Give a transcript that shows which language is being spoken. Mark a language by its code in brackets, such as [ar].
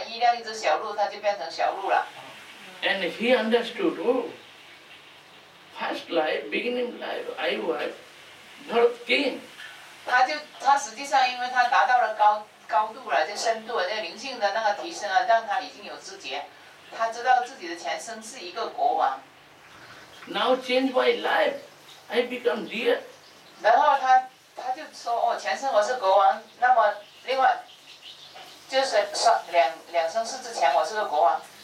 [zh] 那么什么意思呢？就巴拉麻辣鸡的那个例子，就是说他因为在灵修，然后他依恋一只小鹿，他就变成小鹿了。 [en] And he understood all. First life, beginning life, I was not king. [zh] 他实际上因为他达到了高度了，就深度了，这灵性的那个提升了，让他已经有知觉，他知道自己的前生是一个国王。 [en] Now change my life, I become deer. [zh] 然后他就说，我前生我是国王，那么另外就是说两生世之前我是个国王。